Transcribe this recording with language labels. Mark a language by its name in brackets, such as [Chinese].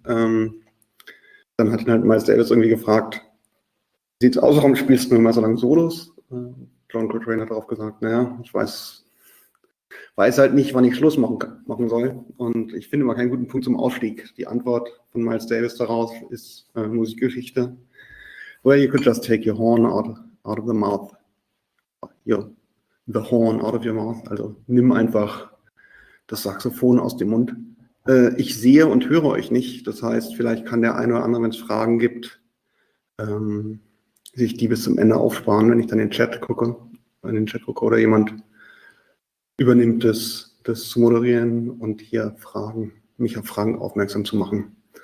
[German] Dann hat ihn halt Miles Davis irgendwie gefragt, sieht's aus, warum spielst du immer so lange Solos? John Coltrane hat darauf gesagt, naja, ich weiß halt nicht, wann ich Schluss machen soll. Und ich finde mal keinen guten Punkt zum Ausstieg. Die Antwort von Miles Davis daraus ist Musikgeschichte. [English] Well, you could just take your horn out of the mouth. The horn out of your mouth. [German] Also nimm einfach das Saxophon aus dem Mund. Ich sehe und höre euch nicht. Das heißt, vielleicht kann der eine oder andere, wenn es Fragen gibt, sich die bis zum Ende aufsparen, wenn ich dann in den Chat gucke oder jemand übernimmt das zu moderieren und hier Fragen, mich auf Fragen aufmerksam zu machen.